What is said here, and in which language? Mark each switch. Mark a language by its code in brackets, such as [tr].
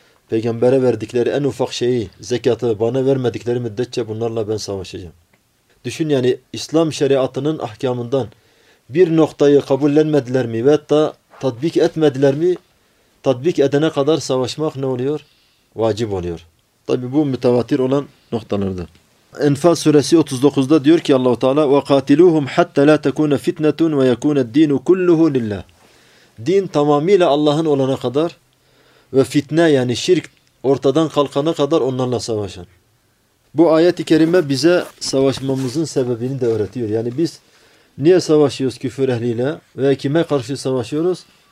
[tr] peygambere verdikleri en ufak şeyi, zekatı bana vermedikleri müddetçe bunlarla ben savaşacağım. Düşün yani İslam şeriatının ahkamından bir noktayı kabullenmediler mi ve hatta tatbik etmediler mi, tatbik edene kadar savaşmak ne oluyor? Vacip oluyor. Tabii bu mütevatir olan noktalarda. Enfal suresi 39'da diyor ki Allah-u Teala [ar] وَقَاتِلُوهُمْ حَتَّ لَا تَكُونَ فِتْنَةٌ وَيَكُونَ الدِّينُ كُلُّهُ لِلَّهِ. [tr] Din tamamıyla Allah'ın olana kadar ve fitne yani şirk ortadan kalkana kadar onlarla savaşan. Bu ayet-i kerime bize savaşmamızın sebebini de öğretiyor. Yani biz niye savaşıyoruz küfür ehliyle ve kime karşı savaşıyoruz?